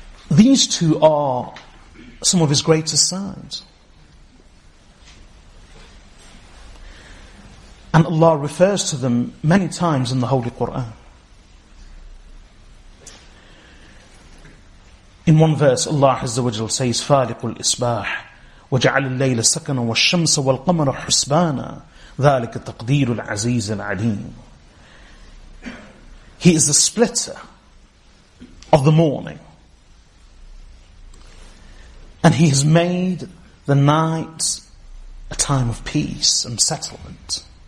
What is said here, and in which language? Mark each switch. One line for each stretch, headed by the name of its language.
English: These two are some of his greatest signs. And Allah refers to them many times in the Holy Quran. In one verse, Allah Azza wa Jalla says,
Arabic: فَالِقُ الْإِصْبَاحِ وَجَعَلِ اللَّيْلَ سَكَنًا وَالشَّمْسَ وَالْقَمَرَ حُسْبَانًا ذَلِكَ تَقْدِيرُ الْعَزِيزِ الْعَلِيمِ.
English: He is the splitter of the morning, and He has made The night, a time of peace and settlement.